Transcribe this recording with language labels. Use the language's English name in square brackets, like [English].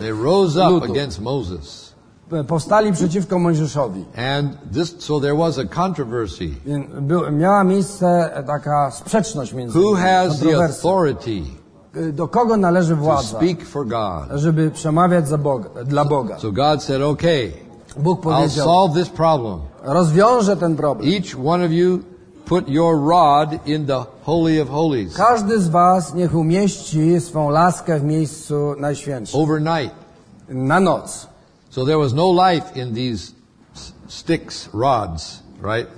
[English] They rose up against Moses. [Polish] Powstali przeciwko Mojżeszowi. [English] And this, so there was a controversy. [Polish] Miała miejsce taka sprzeczność między [English] who has the authority? [Polish] Do kogo należy władza? [English] To speak for God. [Polish] Żeby przemawiać za Boga, dla Boga. [English] So God said, okay, [Polish] Bóg powiedział, [English] I'll solve this problem. [Polish] Rozwiążę ten problem. [English] Each one of you put your rod in the holy of holies. [Polish] Każdy z was niech umieści swą laskę w miejscu najświętszym. [English] Overnight. [Polish] Na noc. [English] So there was no life in these sticks, rods, right?